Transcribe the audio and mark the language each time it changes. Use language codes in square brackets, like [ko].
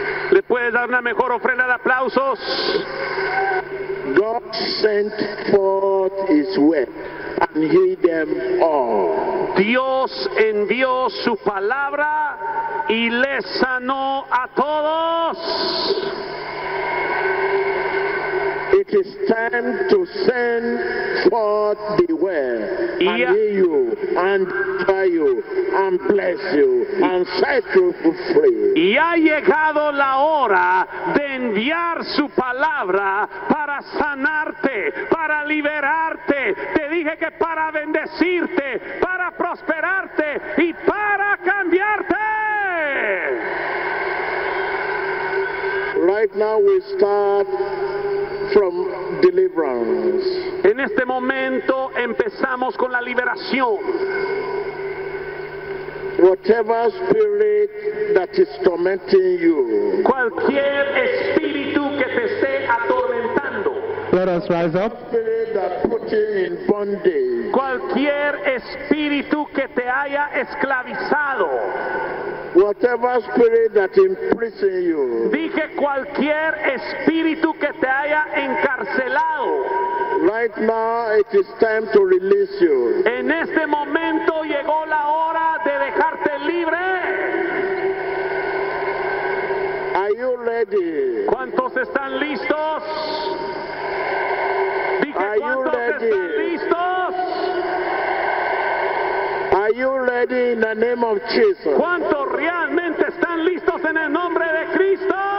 [es] ¿Le puedes dar una mejor ofrenda de aplausos? [en] God sent forth his word and healed them all. [es] Dios envió su palabra y les sanó a todos. [en] It is time to send forth the word and heal you and try you and bless you and set you free. [es] Y ha llegado la hora de enviar su palabra para sanarte, para liberarte. Te dije que para bendecirte, para prosperarte y para cambiarte. [en] Right now we start from deliverance. [es] En este momento empezamos con la liberación. [en] Whatever spirit that is tormenting you. [es] Cualquier espíritu que te esté atormentando. [en] Let us rise up. Spirit that put you in bondage. [es] Cualquier espíritu que te haya esclavizado. [en] Whatever spirit that imprison you. [es] Dije cualquier espíritu que te haya encarcelado. [en] Right now it is time to release you. [es] En este momento llegó la hora de dejarte libre. [en] Are you ready? [es] ¿Cuántos están listos? Dije [en] Are [es] cuántos [en] you ready? [es] Están listos. [en] Are you ready in the name of Jesus? [es] ¿Cuántos realmente están listos en el nombre de Cristo?